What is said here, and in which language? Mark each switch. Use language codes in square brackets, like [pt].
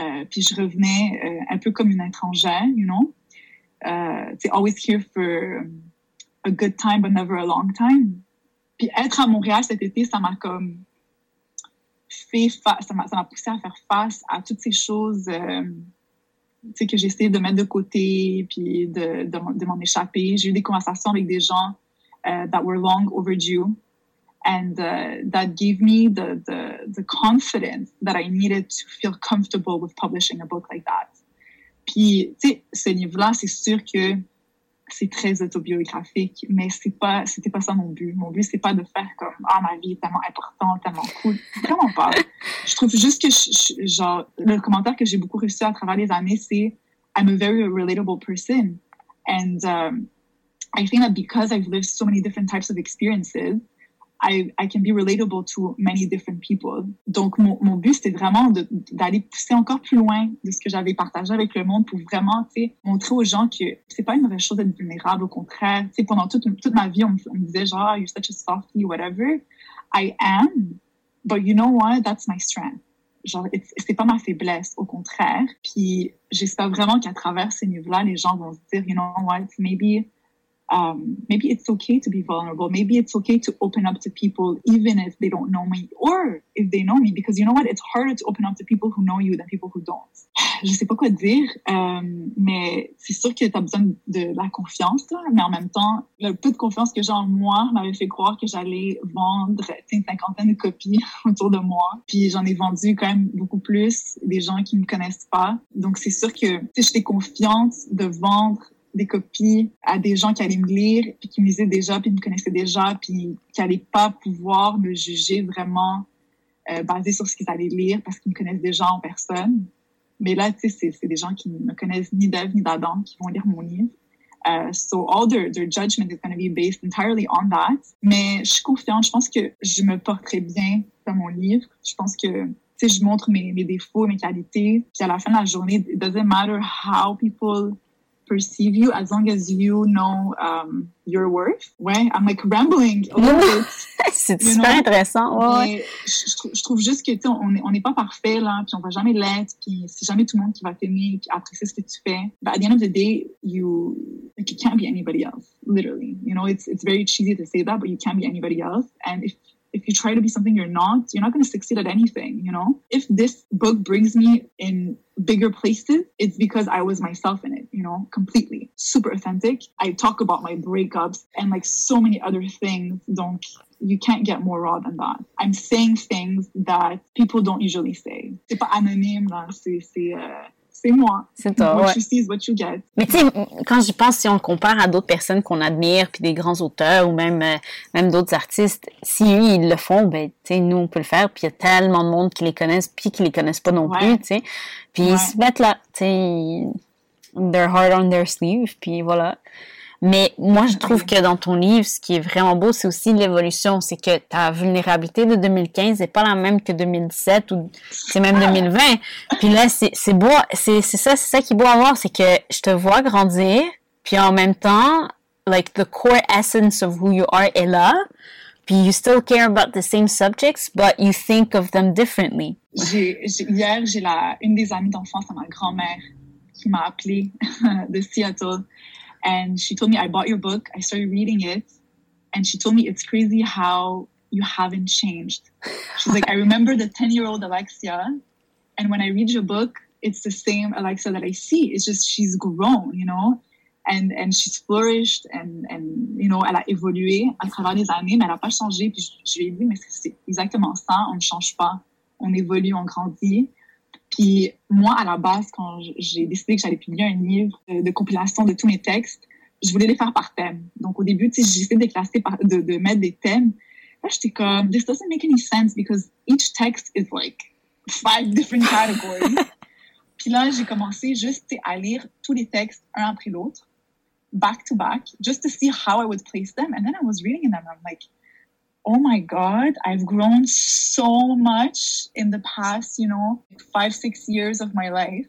[fr] Puis je revenais un peu comme une étrangère, [en] you know? [fr] C'est [en] always here for a good time, but never a long time. [fr] Puis être à Montréal cet été, ça m'a comme fait face, ça m'a poussé à faire face à toutes ces choses que j'ai essayé de mettre de côté, puis de m'en échapper. J'ai eu des conversations avec des gens [en] that were long overdue, and that gave me the confidence that I needed to feel comfortable with publishing a book like that. [fr] Puis, tu sais, ce livre-là, c'est sûr que c'est très autobiographique, mais c'était pas ça mon but. Mon but, c'est pas de faire comme, ah, ma vie est tellement importante, tellement cool. Vraiment pas. Je trouve juste que, genre, le commentaire que j'ai beaucoup reçu à travers les années, c'est, [en] I'm a very relatable person. And I think that because I've lived so many different types of experiences, I can be relatable to many different people. [fr] Donc, mon but, c'était vraiment d'aller pousser encore plus loin de ce que j'avais partagé avec le monde pour vraiment, tu sais, montrer aux gens que c'est pas une mauvaise chose d'être vulnérable, au contraire. Tu sais, pendant toute ma vie, on me disait genre, [en] you're such a softie, whatever. I am, but you know what? That's my strength. [fr] Genre, c'est pas ma faiblesse, au contraire. Puis, j'espère vraiment qu'à travers ces livres-là, les gens vont se dire, [en] you know what? Maybe it's okay to be vulnerable. Maybe it's okay to open up to people, even if they don't know me, or if they know me, because you know what? It's harder to open up to people who know you than people who don't. [fr] Je sais pas quoi dire, mais c'est sûr que t'as besoin de la confiance, là. Mais en même temps, le peu de confiance que j'ai en moi m'avait fait croire que j'allais vendre une cinquantaine de copies autour de moi. Puis j'en ai vendu quand même beaucoup plus, des gens qui me connaissent pas. Donc c'est sûr que si j'étais confiante de vendre des copies à des gens qui allaient me lire, puis qui me lisaient déjà, puis me connaissaient déjà, puis qui n'allaient pas pouvoir me juger vraiment basé sur ce qu'ils allaient lire, parce qu'ils me connaissent déjà en personne. Mais là, tu sais, c'est des gens qui ne me connaissent ni d'Ève ni d'Adam qui vont lire mon livre. [en] So all their judgment is going to be based entirely on that. [fr] Mais je suis confiante, je pense que je me porterai bien dans mon livre. Je pense que, tu sais, je montre mes défauts, mes qualités, puis [en] à la fin de la journée, it doesn't matter how people perceive you as long as you know your worth. [fr] Ouais, [en] I'm like rambling. [fr] C'est super intéressant. Je trouve juste que, tu sais, on n'est pas parfait, là, puis on va jamais l'être, puis c'est jamais tout le monde qui va t'aimer, qui apprécie ce que tu fais. [en] But at the end of the day, you can't be anybody else, literally. You know, it's very cheesy to say that, but you can't be anybody else. And if you try to be something you're not going to succeed at anything, you know? If this book brings me in bigger places, it's because I was myself in it, you know, completely. Super authentic. I talk about my breakups and like so many other things. Donc, you can't get more raw than that. I'm saying things that people don't usually say. [fr] C'est pas anonyme, là. C'est moi. C'est toi, [en] what [fr] ouais. [en] You see is what you get. [fr] Mais tu sais, quand je pense, si on le compare à d'autres personnes qu'on admire, puis des grands auteurs ou même d'autres artistes, si eux, ils le font, ben, tu sais, nous, on peut le faire. Puis il y a tellement de monde qui les connaissent, puis qui les connaissent pas non ouais. plus, tu sais. Puis ouais. ils se mettent là, tu sais, [en] their heart on their sleeve, [fr] puis voilà. Mais moi, je trouve que dans ton livre, ce qui est vraiment beau, c'est aussi l'évolution. C'est que ta vulnérabilité de 2015 n'est pas la même que 2017 ou c'est même 2020. Puis là, c'est beau. C'est ça qui est beau à voir. C'est que je te vois grandir. Puis en même temps, [en] like, the core essence of who you are [fr] est là. [en] Puis you still care about the same subjects, but you think of them differently. [fr] Hier, j'ai une des amies d'enfance à ma grand-mère qui m'a appelée de Seattle. [en] And she told me, I bought your book. I started reading it. And she told me, it's crazy how you haven't changed. She's like, I remember the 10-year-old Alexia. And when I read your book, it's the same Alexia that I see. It's just, she's grown, you know? And she's flourished and you know, [fr] elle a évolué à travers les années, mais elle n'a pas changé. Puis je lui ai dit, mais c'est exactement ça. On ne change pas. On évolue, on grandit. Puis moi, à la base, quand j'ai décidé que j'allais publier un livre de compilation de tous mes textes, je voulais les faire par thème. Donc au début, tu sais, j'essayais de les classer, de mettre des thèmes. Là, j'étais comme, [en] this doesn't make any sense because each text is like 5 different categories. [fr] Puis là, j'ai commencé juste à lire tous les textes un après l'autre, [en] back to back, just to see how I would place them. And then I was reading them and I'm like, oh my God, I've grown so much in the past, you know, 5-6 years of my life.